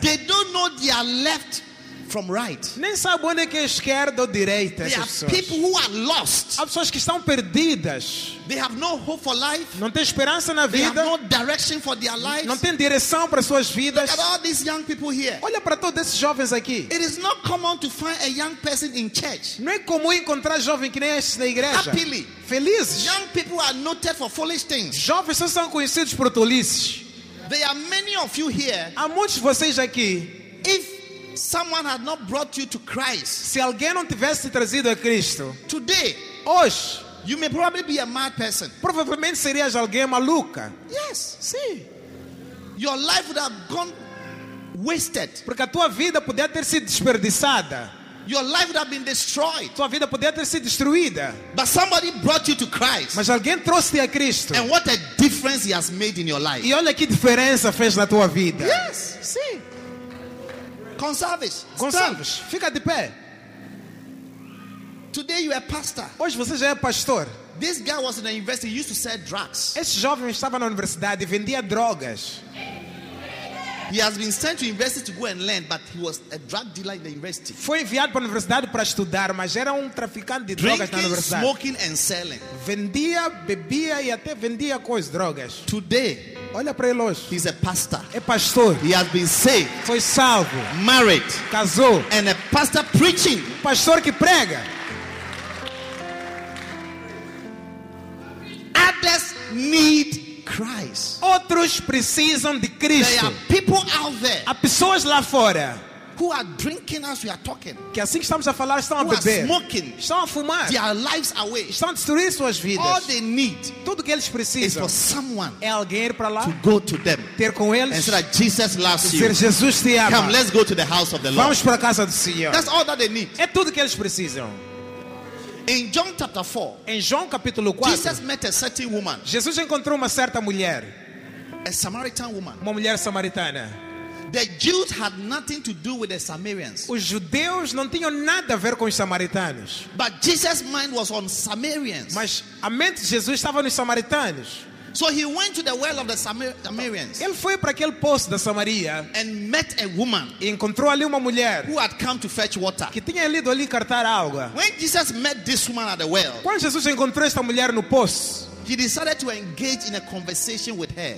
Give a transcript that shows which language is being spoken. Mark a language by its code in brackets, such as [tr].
[en] They don't know they are left from right. [pt] Nem sabem onde é que é esquerda ou direita. [en] There are people who are lost. [pt] Há pessoas que estão perdidas. [en] They have no hope for life. [pt] Não têm esperança na vida. [en] They have no direction for their lives. [pt] Não têm direção para suas vidas. [en] Look at all these young people here. [pt] Olha para todos esses jovens aqui. [en] It is not common to find a young person in church. [pt] Não é comum encontrar jovem que nem este na igreja. [en] Happily. [pt] Felizes. [en] Young people are noted for foolish things. [pt] Jovens são conhecidos por tolices. [en] There are many of you here. [pt] Há muitos de vocês aqui. [en] If someone had not brought you to Christ, [pt] se alguém não tivesse trazido a Cristo, [en] today, [pt] hoje, [en] you may probably be a mad person. [pt] Provavelmente serias alguém maluca. [en] Yes, [pt] sim. [en] Your life would have gone wasted. [pt] Porque a tua vida podia ter sido desperdiçada. [en] Your life would have been destroyed. [pt] Tua vida podia ter sido destruída. [en] But somebody brought you to Christ. [pt] Mas alguém trouxe-te a Cristo. [en] And what a difference he has made in your life. [pt] E olha que diferença fez na tua vida. [en] Yes, sim. Conserves, [pt] fica de pé. [en] Today you are pastor. [pt] Hoje você já é pastor. [en] This guy was in the university. He used to sell drugs. [pt] Esse jovem estava na universidade e vendia drogas. [en] He has been sent to university to go and learn, but he was a drug dealer in the university. [pt] Foi enviado para a universidade para estudar, mas era traficante de [en] drinking, [pt] drogas na universidade. [en] Drinking, smoking and selling. [pt] Vendia, bebia e até vendia coisas, drogas. [en] Today, [pt] olha para ele hoje. [en] He's a pastor. [pt] É pastor. [en] He has been saved. [pt] Foi salvo. [en] Married. [pt] Casou. [en] And a pastor preaching. [pt] Pastor que prega. [en] Others need Christ. [pt] Outros precisam de Cristo. [en] There are people out there. [pt] Há pessoas lá fora. [en] Who are drinking as we are talking? [pt] Que assim que estamos a falar estão a beber. [en] Who are smoking? [pt] Estão a fumar. [en] Their lives away. [pt] Estão a destruir suas vidas. [en] All they need. [pt] Tudo que eles precisam. [en] Is for someone. [pt] É alguém ir para lá. [en] To go to them. [pt] Ter com eles. [en] And say that Jesus loves you. [pt] Dizer Jesus te ama. [en] Come, let's go to the house of the Lord. [pt] Vamos para a casa do Senhor. [en] That's all that they need. [pt] É tudo que eles precisam. [en] In John chapter 4. [pt] Em João capítulo 4. [en] Jesus met a certain woman. [pt] Jesus encontrou uma certa mulher. [en] A Samaritan woman. [pt] Uma mulher samaritana. [en] The Jews had nothing to do with the Samaritans. [pt] Os judeus não tinham nada a ver com os samaritanos. [en] But Jesus' mind was on Samaritans. [pt] Mas a mente de Jesus estava nos samaritanos. [en] So he went to the well of the Samaritans. [pt] Ele foi para aquele poço da Samaria. [en] And met a woman. [pt] E encontrou ali uma mulher. [en] Who had come to fetch water. [pt] Que tinha ido ali cartar água. [en] When Jesus met this woman at the well. [pt] Quando Jesus encontrou esta mulher no poço. [en] He decided to engage in a conversation with her.